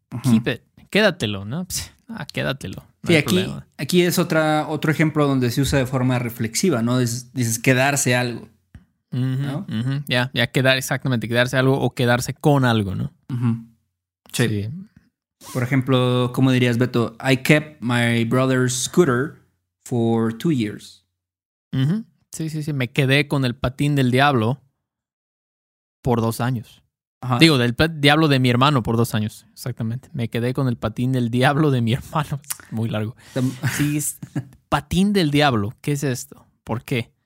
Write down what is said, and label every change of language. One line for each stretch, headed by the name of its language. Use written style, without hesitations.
Spanish: Uh-huh.
English: Keep it.
Spanish: Quédatelo, ¿no? Quédatelo. No sí, aquí es otro ejemplo donde se usa de forma reflexiva, ¿no? Dices quedarse algo. Uh-huh, ¿no? Uh-huh. Ya quedar, exactamente, quedarse algo o quedarse con algo, ¿no? Uh-huh. Sí. Por ejemplo, ¿cómo dirías, Beto?
English: I kept my brother's scooter for 2 years.
Spanish: Uh-huh. Sí. Me quedé con el patín del diablo por 2 años. Ajá. Digo, del diablo de mi hermano por 2 años. Exactamente. Me quedé con el patín del diablo de mi hermano. Muy largo. Sí, es patín del diablo. ¿Qué es esto? ¿Por qué?